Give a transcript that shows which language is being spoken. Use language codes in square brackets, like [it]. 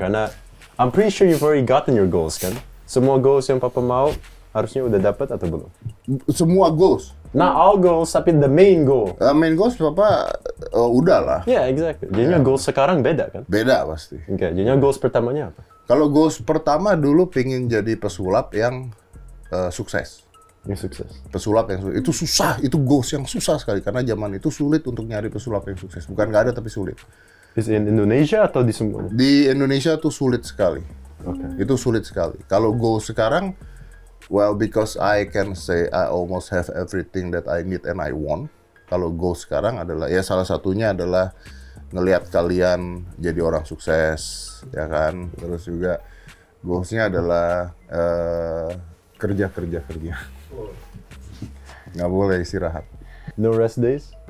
[id] Karena [en] I'm pretty sure you've already gotten your goals, kan? [id] Semua goals yang papa mau harusnya udah dapat atau belum? Semua goals? [en] Not all goals, [id] tapi [en] the main goal. [id] Main goals papa udah lah. [en] Yeah, exactly. [id] Jadi yeah. Goals sekarang beda kan? Beda pasti. Okay, jadi goals pertamanya apa? Kalau goals pertama dulu pingin jadi pesulap yang sukses. Yang sukses. Pesulap yang sukses. Itu susah, itu goals yang susah sekali. Karena zaman itu sulit untuk nyari pesulap yang sukses. Bukan nggak ada, tapi sulit. [en] Is in [id] Indonesia atau di semuanya? Di Indonesia tuh sulit sekali. Okay. Itu sulit sekali. Kalau goal sekarang, [en] well, because I can say I almost have everything that I need and I want. [id] Kalau goal sekarang adalah, ya salah satunya adalah ngelihat kalian jadi orang sukses, ya kan? Terus juga goalsnya adalah kerja. Nggak boleh istirahat. [en] No rest days?